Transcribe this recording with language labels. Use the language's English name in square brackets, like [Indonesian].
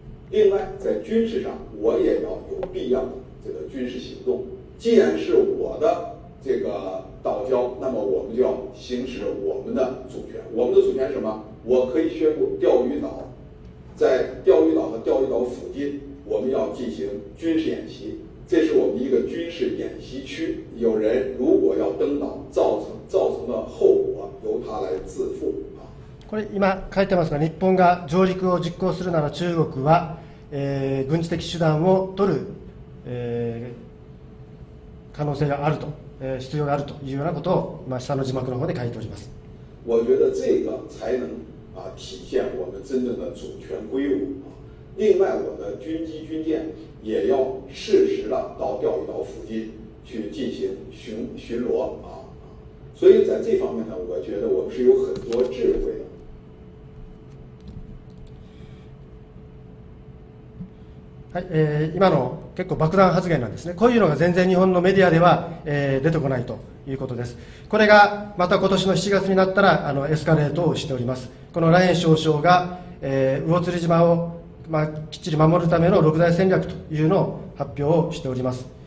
[Chinese] 另外在军事上我也要有必要的这个军事行动，既然是我的这个岛礁，那么我们就要行使我们的主权。我们的主权是什么？我可以宣布钓鱼岛，在钓鱼岛和钓鱼岛附近我们要进行军事演习，这是我们一个军事演习区，有人如果要登岛造成的后果由他来自负。 [Japanese] これ今書いてますが、日本が上陸を実行するなら中国は、軍事的手段を取る、可能性があると、必要があるというようなことを、まあ、下の字幕の方で書いております。 [Chinese] 我觉得这个才能体现我们真正的主权归属。另外我的军机军舰也要适时的到钓鱼岛附近去进行 巡逻。所以在这方面呢，我觉得我们是有很多智慧的。 [Japanese] はい、今の結構爆弾発言なんですね。こういうのが全然日本のメディアでは、出てこないということです。これがまた今年の7月になったらエスカレートをしております。このラエン少将が、魚釣島を、まあ、きっちり守るための六大戦略というのを発表をしております。